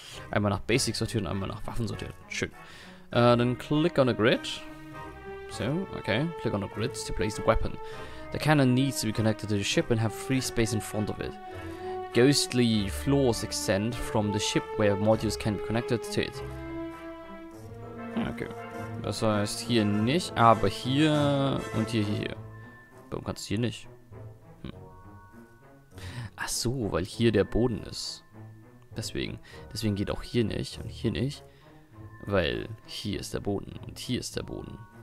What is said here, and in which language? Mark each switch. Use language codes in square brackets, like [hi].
[de] Einmal nach Basic sortieren, einmal nach Waffen sortieren. Schön. Dann [en] click on a grid. [de] So, okay. [en] Click on a grid to place the weapon. The cannon needs to be connected to the ship and have free space in front of it. Ghostly floors extend from the ship where modules can be connected to it. Okay. [de] Das heißt hier nicht, aber hier und hier, hier, hier. Warum kannst du hier nicht? Ach so, weil hier der Boden ist. Deswegen geht auch hier nicht und hier nicht. Weil hier ist der Boden und hier ist der Boden.